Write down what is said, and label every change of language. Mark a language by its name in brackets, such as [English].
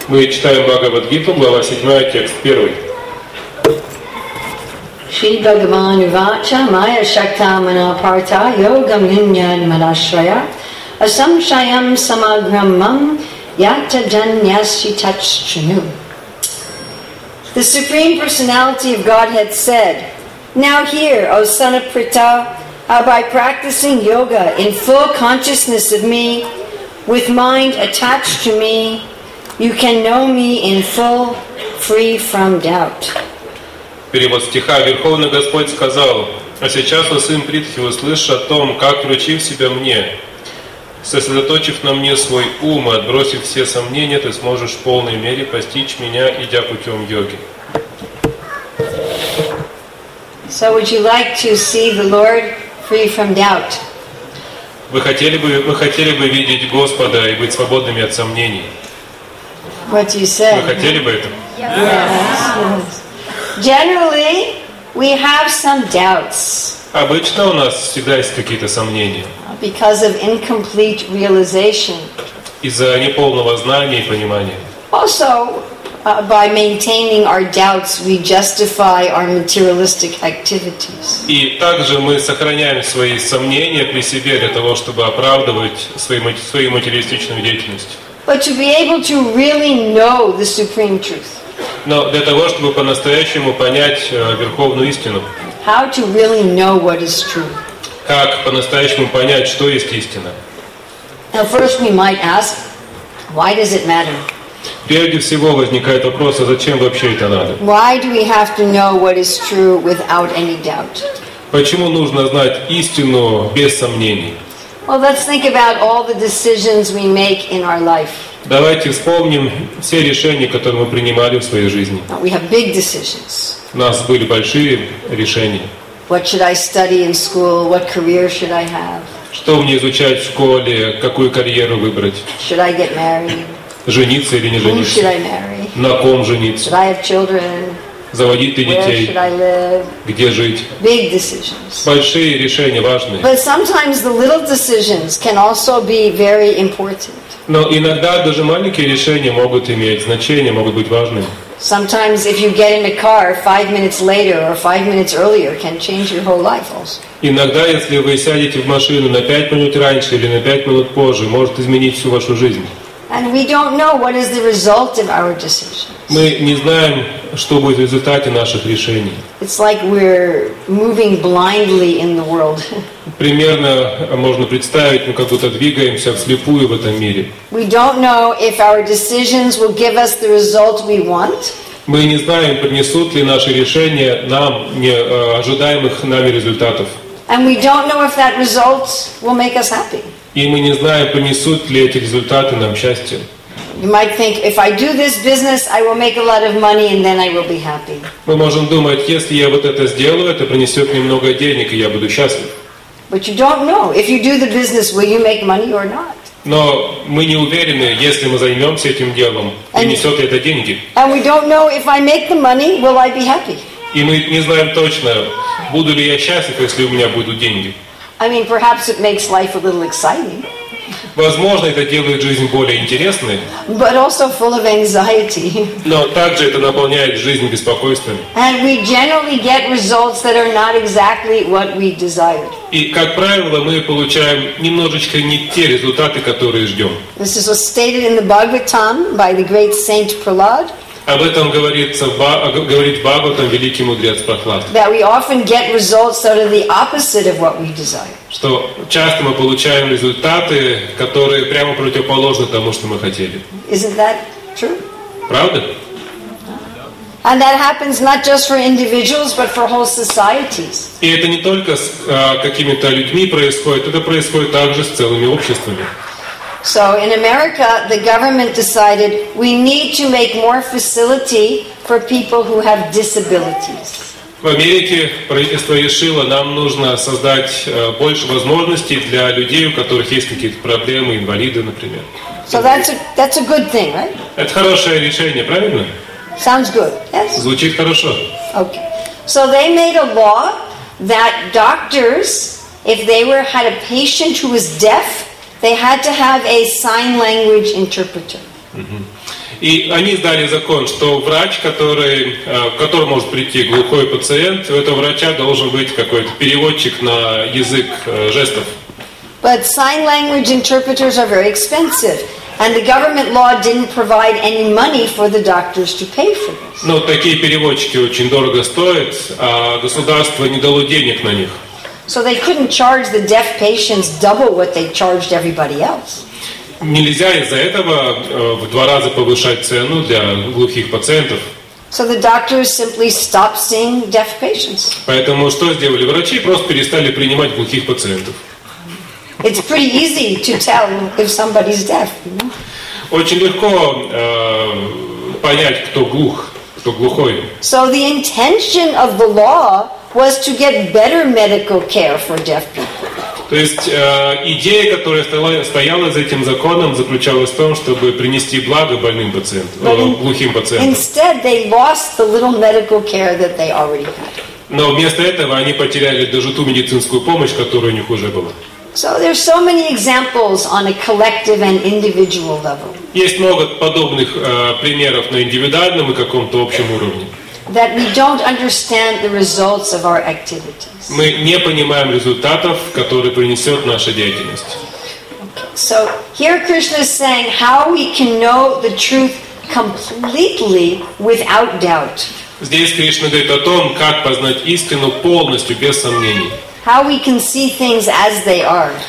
[Russian] Мы читаем Бхагавад Гиту, глава 7, текст 1. [Sanskrit] Шри Бхагаван Увача, Майя Шакта Мана Парта, Йога Миньян Манашрая, Асамшаям Самаграммам, Ята Джаньяси Тач Чуну. [English] The Supreme Personality of Godhead said, Now hear, O son of Prita, how by practicing yoga in full consciousness of me, with mind attached to me, you can know me in full, free from doubt. [Russian] Перевод стиха. Верховный Господь сказал, а сейчас, о сын Притхи, услышь о том, как, вручив себя мне, сосредоточив на мне свой ум и отбросив все сомнения, ты сможешь в полной мере постичь меня, идя путем йоги. [English] So would you like to see the Lord free from doubt? [Russian] Вы хотели бы видеть Господа и быть свободными от сомнений? [English] What you said. [Russian] Вы хотели бы это? [English] Yes. Yes. Generally, we have some doubts. [Russian] Обычно у нас всегда есть какие-то сомнения. [English] Because of incomplete realization. [Russian] Из-за неполного знания и понимания. [English] Also, by maintaining our doubts, we justify our materialistic activities. [Russian] И также мы сохраняем свои сомнения при себе для того, чтобы оправдывать свою материалистичную деятельность. [English] But to be able to really know the supreme truth. [Russian] Но для того, чтобы по-настоящему понять верховную истину. [English] How to really know what is true. [Russian] Как по-настоящему понять, что есть истина. [English] Now first we might ask, why does it matter? [Russian] Прежде всего возникает вопрос, а зачем вообще это надо? [English] Why do we have to know what is true without any doubt? [Russian] Почему нужно знать истину без сомнений? [English] Well, let's think about all the decisions we make in our life. [Russian] Давайте вспомним все решения, которые мы принимали в своей жизни. [English] We have big decisions. [Russian] У нас были большие решения. [English] What should I study in school? What career should I have? [Russian] Что мне изучать в школе? Какую карьеру выбрать? [English] Should I get married? [Russian] Жениться или не жениться? [English] Who should I marry? [Russian] На ком жениться? [English] Should I have children? [Russian] Заводить ли детей? [English] Where should I live? [Russian] Где жить? [English] Big decisions. [Russian] Большие решения, важные. [English] But sometimes the little decisions can also be very important. [Russian] Но иногда даже маленькие решения могут иметь значение, могут быть важными. [English] Sometimes if you get in a car 5 minutes later or 5 minutes earlier can change your whole life also. [Russian] Иногда, если вы сядете в машину на 5 минут раньше или на 5 минут позже, может изменить всю вашу жизнь. [English] And we don't know what is the result of our decisions. [Russian] Мы не знаем, что будет в результате наших решений. [English] It's like we're moving blindly in the world. [Russian] Примерно можно представить, мы как будто двигаемся вслепую в этом мире. [English] We don't know if our decisions will give us the result we want. [Russian] Мы не знаем, принесут ли наши решения нам ожидаемых нами результатов. [English] And we don't know if that result will make us happy. [Russian] И мы не знаем, принесут ли эти результаты нам счастье. [English] You might think, if I do this business, I will make a lot of money, and then I will be happy. [Russian] Мы можем думать, если я вот это сделаю, это принесет мне много денег, и я буду счастлив. [English] But you don't know. If you do the business, will you make money or not? [Russian] Но мы не уверены, если мы займемся этим делом, принесет ли это деньги. [English] And we don't know, if I make the money, will I be happy? [Russian] И мы не знаем точно, буду ли я счастлив, если у меня будут деньги. [English] I mean, perhaps it makes life a little exciting. [Russian] Возможно, это делает жизнь более интересной. [English] But also full of anxiety. [Russian] Но также это наполняет жизнь беспокойством. [English] And we generally get results that are not exactly what we desired. [Russian] И, как правило, мы получаем немножечко не те результаты, которые ждем. [English] This is stated in the Bhagavatam by the great saint Prahlad. [Russian] Об этом говорит Бхагаватам великий мудрец Прохлад. [English] That we often get results that are the opposite of what we desire. [Russian] Что часто мы получаем результаты, которые прямо противоположны тому, что мы хотели. [English] Isn't that true? [Russian] Правда? [English] And that happens not just for individuals, but for whole societies. [Russian] И это не только с какими-то людьми происходит, это происходит также с целыми обществами. [English] So in America, the government decided we need to make more facility for people who have disabilities. [Russian] В Америке правительство решило, нам нужно создать больше возможностей для людей, у которых есть какие-то проблемы, инвалиды, например. [English] So that's a good thing, right? [Russian] Это хорошее решение, правильно? [English] Sounds good, yes? [Russian] Звучит хорошо. [English] Okay. So they made a law that doctors, if they had a patient who was deaf, they had to have a sign language interpreter. [Russian] И они издали закон, что врач, который, к которому может прийти глухой пациент, у этого врача должен быть какой-то переводчик на язык жестов. [English] But sign language interpreters are very expensive, and the government law didn't provide any money for the doctors to pay for this. [Russian] Но такие переводчики очень дорого стоят, а государство не дало денег на них. [English] So they couldn't charge the deaf patients double what they charged everybody else. [Russian] Нельзя из-за этого в два раза повышать цену для глухих пациентов. [English] So the doctors simply stopped seeing deaf patients. [Russian] Поэтому что сделали врачи? Просто перестали принимать глухих пациентов. [English] It's pretty easy to tell if somebody's deaf. [Russian] Очень легко понять, кто глух, кто глухой. [English] So the intention of the law was to get better medical care for deaf people. [Russian] То есть идея, которая стояла за этим законом, заключалась в том, чтобы принести благо больным пациентам, глухим пациентам. [English] Instead, they lost the little medical care that they already had. [Russian] Но вместо этого они потеряли даже ту медицинскую помощь, которая у них уже была. [English] So there's so many examples on a collective and individual level. [Russian] Есть много подобных примеров на индивидуальном и каком-то общем уровне. [English] That we don't understand the results of our activities. [Russian] Мы не понимаем результатов, которые принесет наша деятельность. [English] So here Krishna is saying how we can know the truth completely without doubt. [Russian] Здесь Кришна говорит о том, как познать истину полностью без сомнений. [English] How we can see things as they are.